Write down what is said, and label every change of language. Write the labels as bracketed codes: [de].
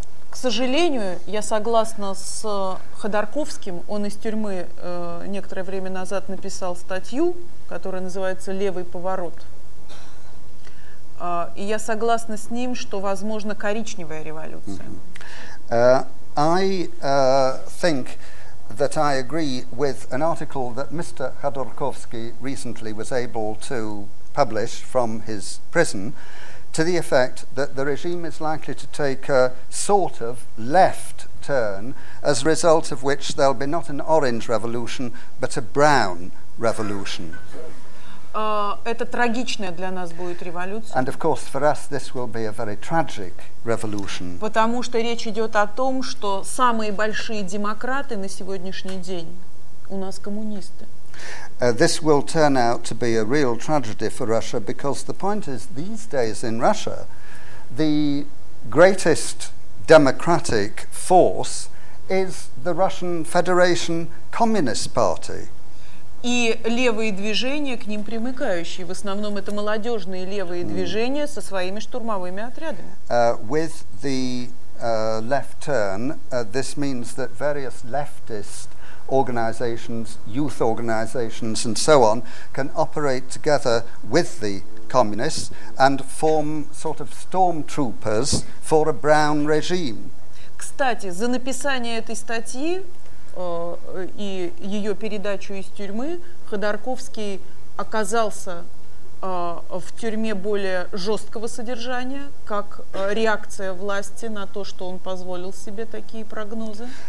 [ru] К сожалению, я согласна с Ходорковским. Он из тюрьмы некоторое время назад написал статью, которая называется «Левый поворот». И я согласна с ним, что, возможно, коричневая революция. Mm-hmm. [en] I think that I agree with an article that Mr. Ходорковский recently was able to publish from his prison, to the effect that the regime is likely to take a sort of left turn, as a result of which there'll be not an orange revolution, but a brown revolution. [ru] Это трагичная для нас будет революция. [en] And of course, for us, this will be a very tragic revolution. [ru] Потому что речь идет о том, что самые большие демократы на сегодняшний день у нас коммунисты. [en] This will turn out to be a real tragedy for Russia, because the point is, these days in Russia, the greatest democratic force is the Russian Federation Communist Party. [ru] И левые движения, к ним примыкающие, в основном это молодежные левые движения со своими штурмовыми отрядами. [en] With the left turn, this means that various leftist organizations, youth organizations, and so on, can operate together with the communists and form sort of stormtroopers for a brown regime. [ru] Кстати, за написание этой статьи и ее передачу из тюрьмы Ходорковский оказался в тюрьме более жесткого содержания, как реакция власти на то, что он позволил себе такие прогнозы.